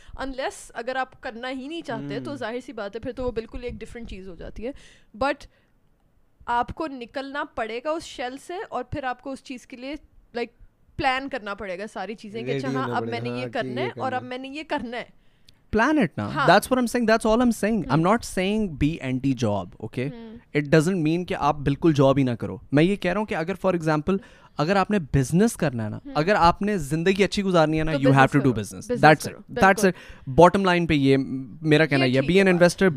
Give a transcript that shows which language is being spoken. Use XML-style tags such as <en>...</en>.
<hi>Unless अगर आप करना ही नहीं चाहते तो जाहिर सी बात है फिर तो वो बिल्कुल एक डिफरेंट चीज़ हो जाती है. बट आपको निकलना पड़ेगा उस शेल से, और फिर आपको उस चीज़ के लिए लाइक प्लान करना पड़ेगा सारी चीज़ें कि अच्छा हाँ, अब मैंने ये करना है और अब मैंने ये करना है.</hi> <en>Plan it now. That's what I'm saying. That's all I'm saying. I'm not saying be anti-job. Okay? It doesn't mean</en> <hi>कि आप बिल्कुल job ही ना करो. मैं ये कह रहा हूँ कि अगर for example अगर आपने business करना है ना, अगर आपने जिंदगी अच्छी गुजारनी है ना,</hi> <en>you have to do business. That's it. Bottom line</en> <hi>पे ये मेरा कहना है.</hi> <en>Be an investor.</en>